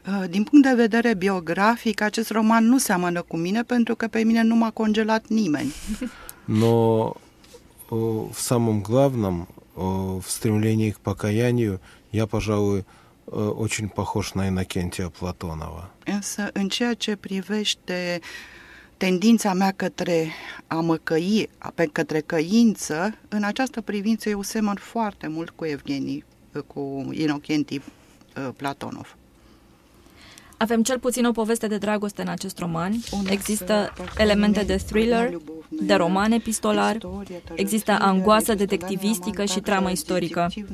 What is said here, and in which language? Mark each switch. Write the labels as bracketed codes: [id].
[ro] Din punct de vedere biografic, acest roman nu seamănă cu mine, pentru că pe mine nu m-a congelat nimeni. [ru] Но в самом главном, в стремлении к покаянию, я, пожалуй, очень похож на Иннокентия Платонова. [ro] Însă, în ceea ce privește tendința mea către a mă căi, către căință, în această privință eu semăn foarte mult cu Evgenii, cu Inocentii Platonov. Avem cel puțin o poveste de dragoste în acest roman. Există elemente de thriller, de roman epistolar, există angoasă detectivistică și tramă istorică.